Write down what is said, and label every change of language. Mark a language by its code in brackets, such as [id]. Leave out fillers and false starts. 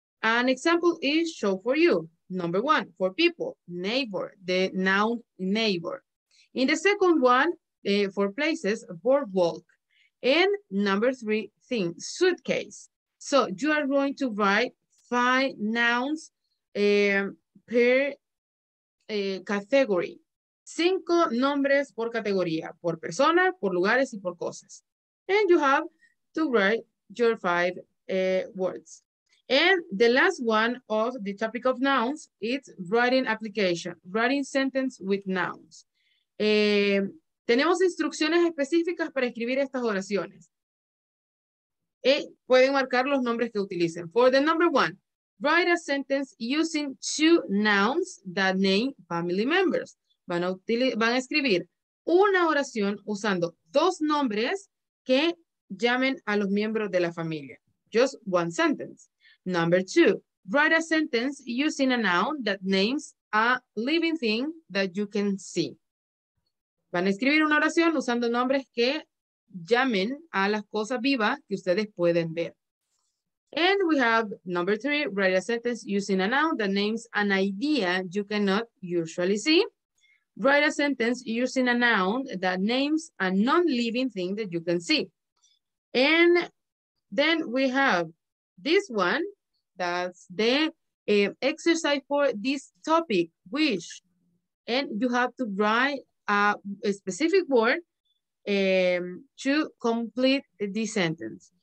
[en] An example is show for you. Number one, for people, neighbor, the noun neighbor. In the second one, for places, boardwalk. And number three, thing, suitcase. So you are going to write five nouns per category. [es] Cinco nombres por categoría, por persona, por lugares, y por cosas. [en] And you have to write your five words. And the last one of the topic of nouns is writing application, writing sentence with nouns. [es] Tenemos instrucciones específicas para escribir estas oraciones. Pueden marcar los nombres que utilicen. [en] For the number one, write a sentence using two nouns that name family members. [es] Van a escribir una oración usando dos nombres que llamen a los miembros de la familia. [en] Just one sentence. Number two, write a sentence using a noun that names a living thing that you can see. [es] Van a escribir una oración usando nombres que llamen a las cosas vivas que ustedes pueden ver. [en] And we have number three, write a sentence using a noun that names an idea you cannot usually see. Write a sentence using a noun that names a non-living thing that you can see. And then we have this one, that's the exercise for this topic, which, and you have to write a specific word to complete the sentence.